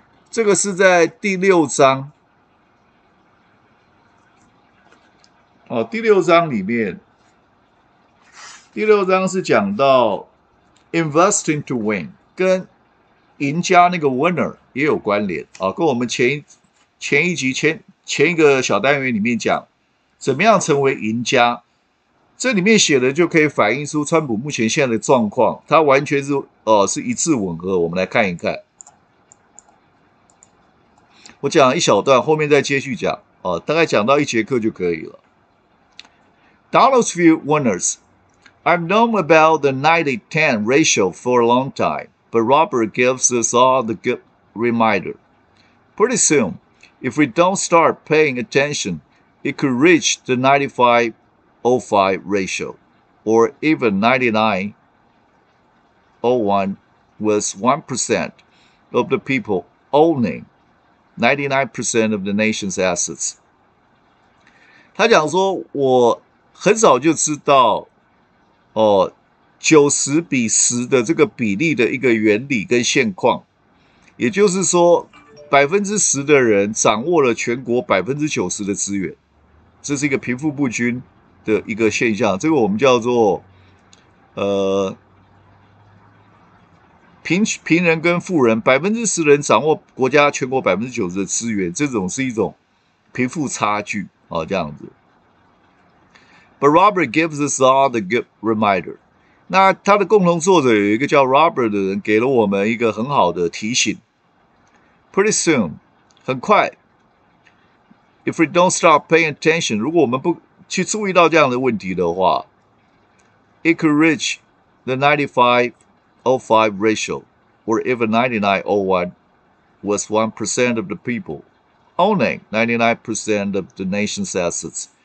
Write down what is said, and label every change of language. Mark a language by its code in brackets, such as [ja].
[zh] 这个是在第六章，哦，第六章里面，第六章是讲到 investing to win，跟赢家那个 winner 也有关联，哦，跟我们前一集前一个小单元里面讲怎么样成为赢家，这里面写的就可以反映出川普目前现在的状况，他完全 是一致吻合。我们来看一看，我讲一小段，后面再接续讲，大概讲到一节课就可以了。 [en] Donald's view winners. I've known about the 90-10 ratio for a long time, but Robert gives us all the good reminder. Pretty soon, if we don't start paying attention, it could reach the 95-05 ratio, or even 99-01 with 1% of the people owning 99% of the nation's assets. [zh] 他讲说我很早就知道90比10的这个比例的一个原理跟现况，也就是说 10% 的人掌握了全国 90% 的资源，这是一个贫富不均的一个现象，这个我们叫做贫人跟富人 ,10% 人掌握国家全国 90% 的资源，这种是一种贫富差距这样子。 [en] But Robert gives us all the good reminder. [zh] 那他的共同作者有一个叫 Robert 的人给了我们一个很好的提醒。 [en] Pretty soon, [zh] 很快。 [en] If we don't stop paying attention, [zh] 如果我们不去注意到这样的问题的话， [en] it could reach the 95-05 ratio, or even 99-01 was 1% of the people owning 99% of the nation's assets.